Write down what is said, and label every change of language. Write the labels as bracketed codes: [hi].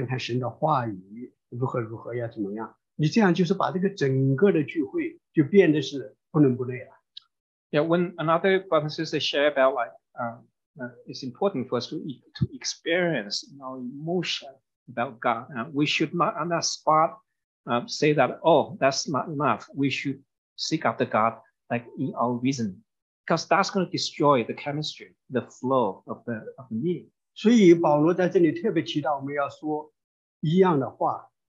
[zh] 当弟兄姐妹在谈论我们要在感性里头去亲近主、敬拜神的时候，千万不要跳出来说我们要理性，我们要看看神的话语如何如何，要怎么样。你这样就是把这个整个的聚会就变得是不伦不类了。 [en] Yeah, when another brother sister share about like, it's important for us to experience our emotion about God. We should not on that spot say that, oh, that's not enough. We should seek after God like in our reason, because that's going to destroy the chemistry, the flow of the need. [zh] 所以保罗在这里特别提到我们要说一样的话。